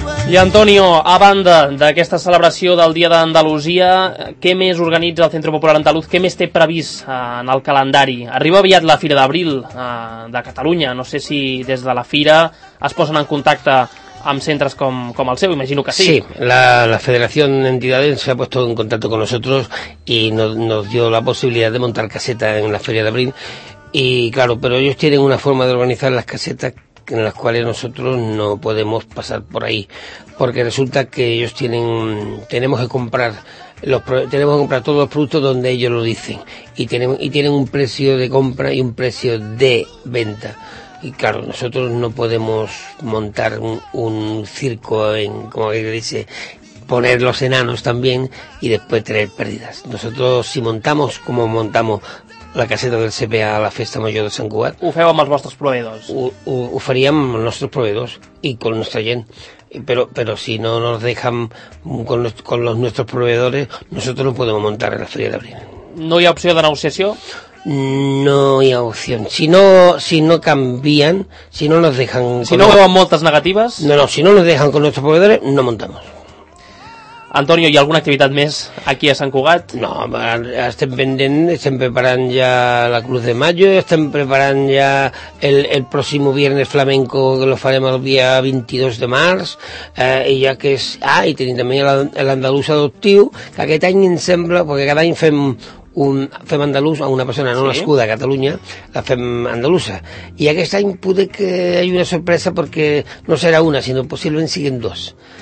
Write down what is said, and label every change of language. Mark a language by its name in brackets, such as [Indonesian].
[Catalan] I Antonio, a banda d'aquesta celebració del Dia d'Andalusia, què més organitza el Centre Popular Andaluz? Què més té previst en el calendari? Arriba aviat la Fira d'Abril de Catalunya. No sé si des de la Fira es posen en contacte amb centres com el seu, imagino que sí. [Spanish] Sí, la Federació d'Entidades se ha puesto en contacto con nosotros y nos dio la posibilidad de montar caseta en la Fira d'Abril. Y claro, pero ellos tienen una forma de organizar las casetas en las cuales nosotros no podemos pasar por ahí, porque resulta que ellos tenemos que comprar todos los productos donde ellos lo dicen, y tienen un precio de compra y un precio de venta, y claro, nosotros no podemos montar un circo en, como alguien dice, poner los enanos también y después tener pérdidas. Nosotros, si montamos como montamos la caseta del CPA a la Festa Major de Sant Cugat, [Catalan] ho feu amb els vostres proveïdors? Ho faríem amb els nostres proveïdors i amb la nostra gent, però [Spanish] si no nos dejan con los nuestros proveedores, nosotros no podemos montar en la Feria d'Abril. [Catalan] No hi ha opció de negociació? No hi ha opció. Si no canvien, [Spanish] si no nos dejan... [Catalan] Si no veuen moltes negatives? [Spanish] No, si no nos dejan con nuestros proveedores, no montamos. [Catalan] Antonio, hi ha alguna activitat més aquí a Sant Cugat? No, estem preparant ja la Cruz de Mayo, estem preparant ja el pròxim [Spanish] viernes flamenco, [Catalan] que lo farem el dia 22 de març, i ja que és... Ah, i tenim també l'Andalús adoptiu, que aquest any em sembla, perquè cada any fem andalús a una persona no nascuda a Catalunya, la fem andalusa, i aquest any pude que hi hagi una sorpresa, perquè no serà una, sinó possiblement siguin dos.